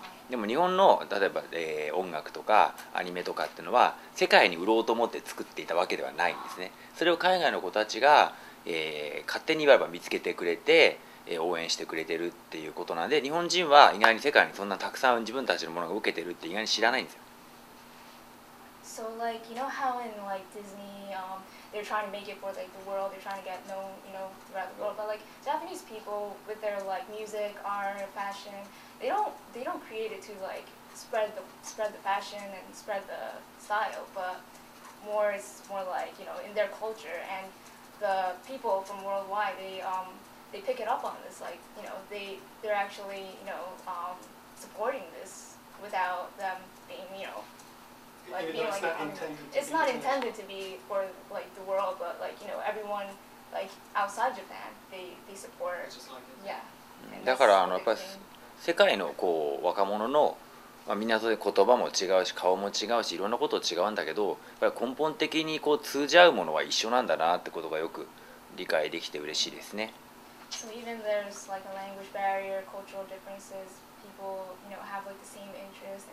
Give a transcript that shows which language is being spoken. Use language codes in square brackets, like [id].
[ja] でも日本の例えば、音楽とかアニメとかっていうのは世界に売ろうと思って作っていたわけではないんですね。それを海外の子たちが、勝手に言われば見つけてくれて、応援してくれてるっていうことなんで、日本人は意外に世界にそんなたくさん自分たちのものが受けてるって意外に知らないんですよ。 [en] So like you know how in like Disney、they're trying to make it for like the world, they're trying to get known, you know, throughout the world. But like Japanese people with their like music, art, fashion, they don't create it to like spread the fashion and spread the style. But more it's more like you know in their culture and the people from worldwide, they pick it up on this. Like you know they're actually you know supporting this without them being you know. It's not intended to be for like the world, but like you know, everyone like outside Japan, they support. Just like yeah. [ja] だからあのやっぱり世界のこう若者の、まあ、みんなそれ言葉も違うし顔も違うしいろんなこと違うんだけど、やっぱり根本的にこう通じ合うものは一緒なんだなってことがよく理解できて嬉しいですね。 [en] So even there's like a language barrier, cultural differences, people you know have like the same interests.